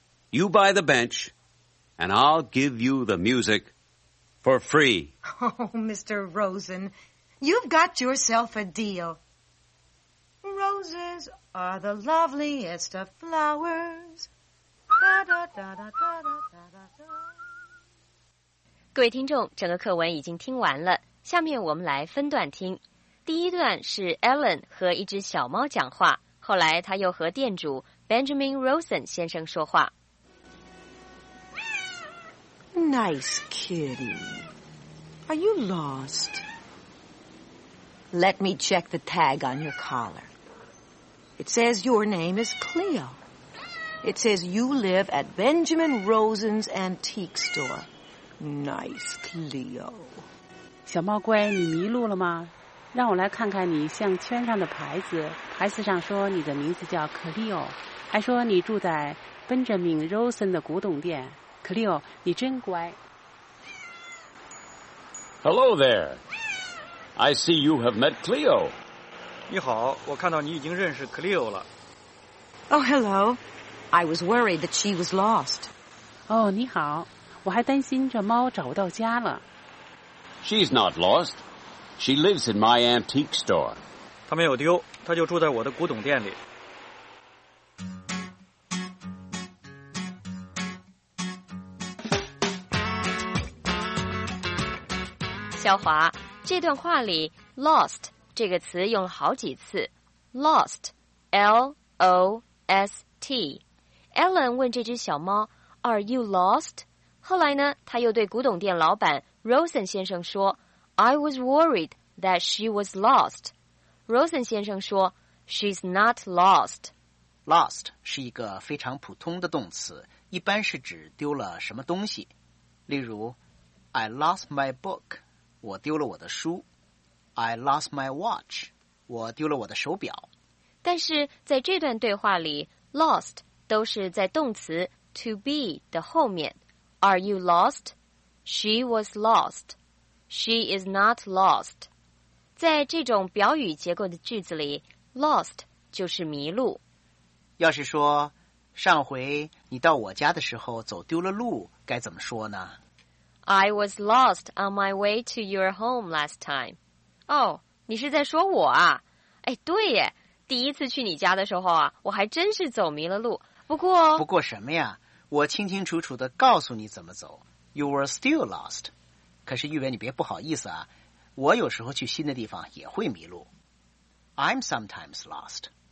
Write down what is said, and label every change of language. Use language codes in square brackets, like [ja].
[en] You buy the bench, and I'll give you the music for free. Oh, Mr. Rosen, you've got yourself a deal. Roses are the loveliest of flowers. Da, da, da, da, da, da, da, da. [zh] 各位听众，整个课文已经听完了，下面我们来分段听。第一段是 Ellen 和一只小猫讲话，后来他又和店主 Benjamin Rosen 先生说话。 [en] Nice kitty. Are you lost? Let me check the tag on your collar. It says your name is Cleo. It says you live at Benjamin Rosen's antique store. Nice, Cleo. [zh] 小猫乖，你迷路了吗？让我来看看你项圈上的牌子。牌子上说你的名字叫 Cleo， 还说你住在 Benjamin Rosen 的古董店。 Cleo， 你真乖。 [en] Hello there. I see you have met Cleo. [zh] 你好，我看到你已经认识 Cleo 了。 [en] Oh, hello. I was worried that she was lost. [zh] 哦，你好。我还担心这猫找不到家了。 [en] She's not lost. She lives in my antique store. [zh] 她没有丢，她就住在我的古董店里。小华，这段话里 lost 这个词用了好几次。 [en] Lost, L-O-S-T. [zh] Ellen 问这只小猫 , [en] Are you lost? [zh] 后来呢，他又对古董店老板 Rosen 先生说 [en] I was worried that she was lost. Rosen [zh] 先生说 [en] She's not lost. [zh] Lost 是一个非常普通的动词，一般是指丢了什么东西。例如 [en] I lost my book. [zh] 我丢了我的书。 [en] I lost my watch. [zh] 我丢了我的手表。但是在这段对话里 lost 都是在动词 to be 的后面。 [en] Are you lost? She was lost. She is not lost. [zh] 在这种表语结构的句子里 ,lost 就是迷路。要是说上回你到我家的时候走丢了路该怎么说呢 [en] ?I was lost on my way to your home last time. [zh] 哦、oh, 你是在说我啊哎对耶第一次去你家的时候啊我还真是走迷了路。不过什么呀我清清楚楚地告诉你怎么走 [en] You were still lost [zh] 可是玉伟你别不好意思啊我有时候去新的地方也会迷路 [en] I'm sometimes lost